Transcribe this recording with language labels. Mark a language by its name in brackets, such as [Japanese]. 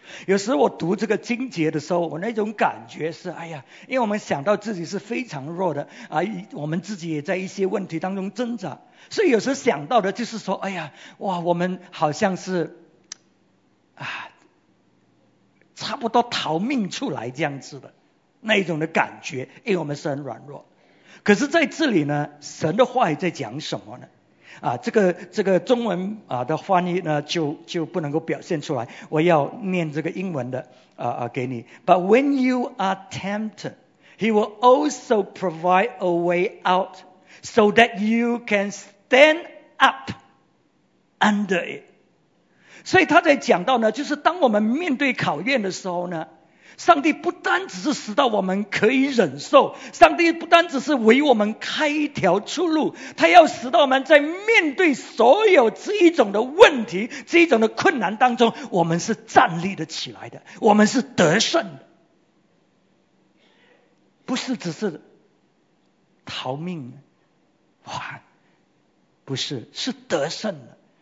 [Chinese] 有时我读这个经节的时候，我那种感觉是，哎呀，因为我们想到自己是非常弱的，我们自己也在一些问题当中挣扎，所以有时想到的就是说，哎呀，哇，我们好像是差不多逃命出来这样子的那一种的感觉，因为我们是很软弱。可是在这里呢，神的话也在讲什么呢？这个中文的翻译呢，就不能够表现出来。我要念这个英文的给你。 [English] But when you are tempted, he will also provide a way out so that you can stand up under it. [Chinese] 所以他在讲到呢，就是当我们面对考验的时候呢，上帝不单只是使到我们可以忍受，上帝不单只是为我们开一条出路，他要使到我们在面对所有这一种的问题、这一种的困难当中，我们是站立的起来的，我们是得胜的，不是只是逃命，哇，不是，是得胜的。